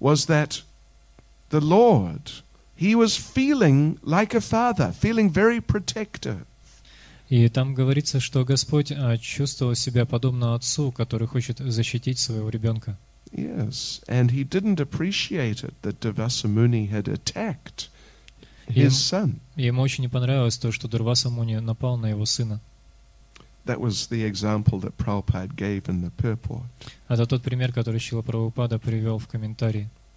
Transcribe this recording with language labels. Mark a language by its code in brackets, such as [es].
[en] Was that the Lord, he was feeling like a father, feeling very protective. [ru] И там говорится, что Господь чувствовал себя подобно отцу, который хочет защитить своего ребенка. [en] Yes, and he didn't appreciate it that Devasa Muni had attacked his son. [ru] Ему очень не понравилось то, что Дурваса Муни напал на его сына. [en] That was the example that Prabhupada gave in the purport. [ru] Это тот пример, который Шрила Прабхупада привел в комментарии.